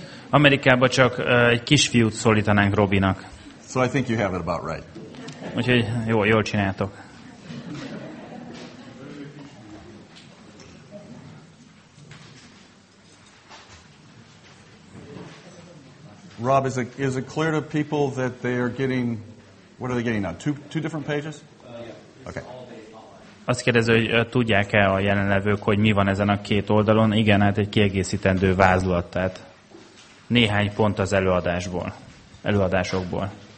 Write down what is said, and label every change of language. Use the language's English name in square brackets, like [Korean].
[Hungarian] Amerikában csak egy kisfiút szólítanánk Robinak. [English] So I think you have it about right. [Hungarian] Úgyhogy jól csináltok. [English] Rob, is it clear to people that they are getting, what are they getting now? Two different pages? Okay. [Hungarian] Azt kérdezi, hogy tudják-e a jelenlevők, hogy mi van ezen a két oldalon? Igen, hát egy kiegészítendő vázlat, tehát néhány pont az előadásokból.